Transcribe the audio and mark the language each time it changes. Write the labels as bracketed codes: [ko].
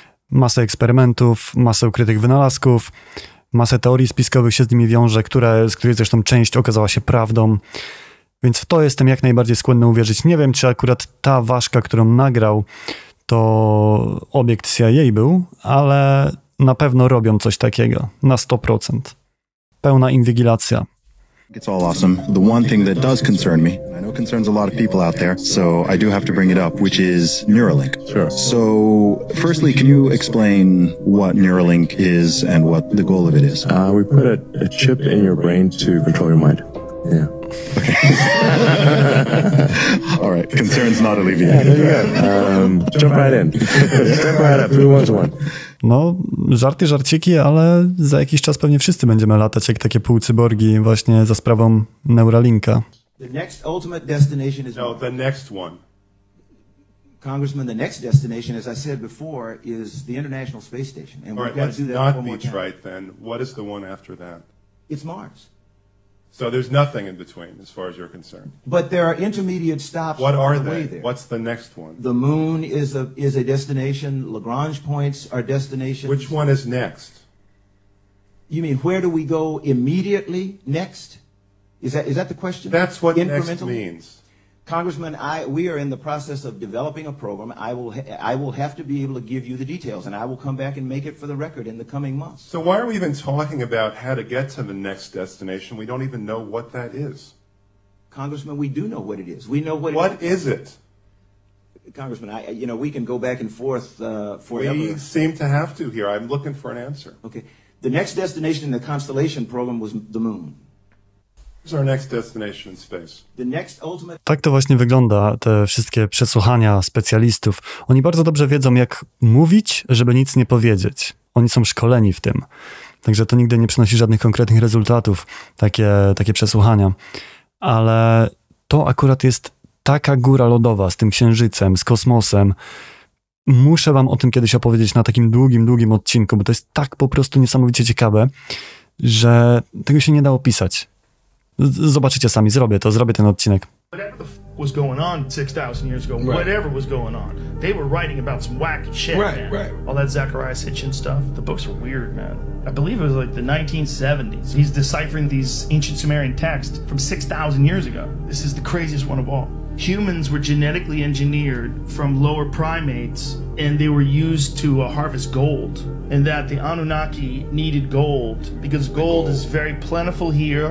[pl] Masę eksperymentów, masę ukrytych wynalazków, masę teorii spiskowych się z nimi wiąże, z których zresztą część okazała się prawdą. Więc w to jestem jak najbardziej skłonny uwierzyć. Nie wiem, czy akurat ta ważka, którą nagrał, to obiekt CIA był, ale na pewno robią coś takiego, na 100%. pełna inwigilacja. [en] It's all awesome. The one thing that does concern me, and I know concerns a lot of people out there, so I do have to bring it up, which is Neuralink. Sure. So, firstly, can you explain what Neuralink is and what the goal of it is? We put a chip in your brain to control your mind. Yeah. Okay. All right. Concerns not alleviated. Yeah, there you go. Jump right in. Step right up. Who wants one? [pl] No, żarty żarciki, ale za jakiś czas pewnie wszyscy będziemy latać jak takie półcyborgi właśnie za sprawą Neuralinka. [en] The next ultimate destination is... No, the next one. Congressman, the next destination, as I said before, is the International Space Station. And we've got to do that one more time. Let's not be trite then. What is the one after that? It's Mars. So there's nothing in between as far as you're concerned. But there are intermediate stops on the way there. What's the next one? The moon is a destination. Lagrange points are destinations. Which one is next? You mean where do we go immediately next? Is that the question? That's what next means. Congressman, we are in the process of developing a program. I will have to be able to give you the details, and I will come back and make it for the record in the coming months. So why are we even talking about how to get to the next destination? We don't even know what that is. Congressman, we do know what it is. We know what it is. What is it? Congressman, we can go back and forth forever. We seem to have to here. I'm looking for an answer. Okay. The next destination in the Constellation program was the moon. Our next destination in space. The next ultimate... [pl] Tak to właśnie wygląda, te wszystkie przesłuchania specjalistów. Oni bardzo dobrze wiedzą, jak mówić, żeby nic nie powiedzieć. Oni są szkoleni w tym. Także to nigdy nie przynosi żadnych konkretnych rezultatów, takie przesłuchania. Ale to akurat jest taka góra lodowa z tym Księżycem, z kosmosem. Muszę wam o tym kiedyś opowiedzieć na takim długim, długim odcinku, bo to jest tak po prostu niesamowicie ciekawe, że tego się nie da opisać. Zobaczycie sami, zrobię ten odcinek. [en] Whatever was going on 6,000 years ago, right. Whatever was going on, they were writing about some wacky shit, right, man. Right. All that Zacharias Hitchin stuff, the books were weird, man. I believe it was like the 1970s. He's deciphering these ancient Sumerian texts from 6,000 years ago. This is the craziest one of all. Humans were genetically engineered from lower primates, and they were used to harvest gold, and that the Anunnaki needed gold because gold is very plentiful here,